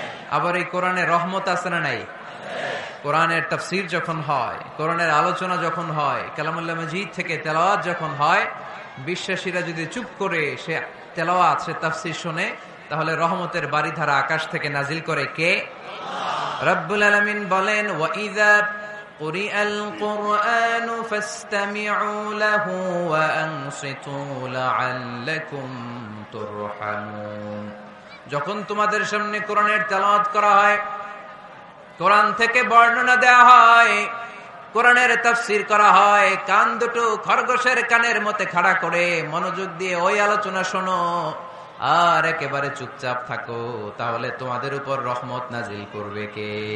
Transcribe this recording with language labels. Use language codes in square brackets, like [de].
[bn] আবার এই কোরআনে রহমত আছে না নাই? কোরআনের তাফসির যখন হয়, কোরআনের আলোচনা যখন হয়, কালামুল্লাহ মাজিদ থেকে তেলাওয়াত যখন হয়, বিশ্বাসীরা যদি চুপ করে সে তেলাওয়াত সে তাফসির শুনে, তাহলে রহমতের বারিধারা আকাশ থেকে নাজিল করে কে? রব্বুল আলামিন বলেন, [ar] ওয়া ইযা قُرِئَ الْقُرْآنُ فَاسْتَمِعُوا لَهُ وَأَنصِتُوا لَعَلَّكُمْ تُرْحَمُونَ। [bn] যখন তোমাদের সামনে কোরআনের তেলাওয়াত করা হয়, কোরআন থেকে বর্ণনা দেয়া হয়, কোরআনের তাফসীর করা হয়, কান দুটো খরগোশের কানের মতে খাড়া করে মনোযোগ দিয়ে ওই আলোচনা শোনো আর একেবারে চুপচাপ থাকো, তাহলে তোমাদের উপর রহমত নাজিল করবে কে?